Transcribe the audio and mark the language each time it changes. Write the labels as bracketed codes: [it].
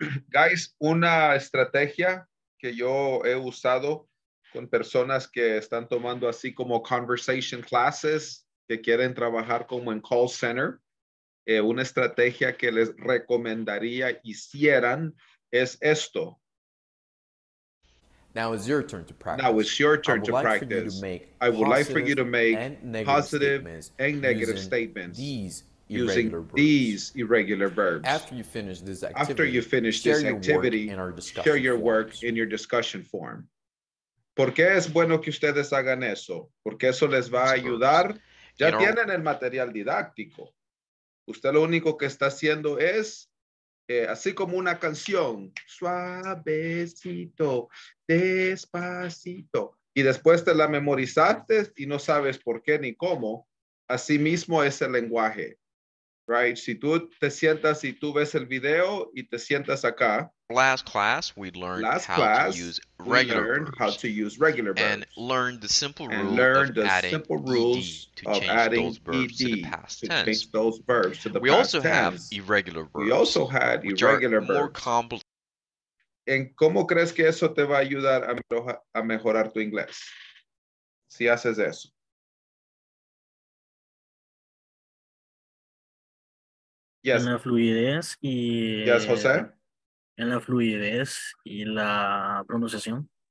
[es] Guys, una estrategia que yo he usado con personas que están tomando así como [en] conversation classes, [es] que quieren trabajar como en call center, una estrategia que les recomendaría hicieran es esto. [en] Now it's your turn to practice. Now it's your turn to like practice. For you to make I would like for you to make positive and negative statements using these irregular verbs. After you finish this activity, after you finish share this activity, your work in our discussion share your forms. Work in your discussion form. [es] ¿Por qué es bueno que ustedes hagan eso? Porque eso les va a ayudar. Ya tienen el material didáctico. Usted lo único que está haciendo es, así como una canción, suavecito, despacito, y después te la memorizaste y no sabes por qué ni cómo. Así mismo es el lenguaje. [en] Right? [es] Si tú te sientas y tú ves el video y te sientas acá. [en] Last class, we learned how to use regular verbs. And learn the simple rule of adding ED to change those verbs to the past tense. We also have irregular verbs, which are more complex. [es] ¿En cómo crees que eso te va a ayudar a mejorar tu inglés? Si haces eso. [en] Yes. [es] En la fluidez y [en] yes, José. [es] En la fluidez y la pronunciación.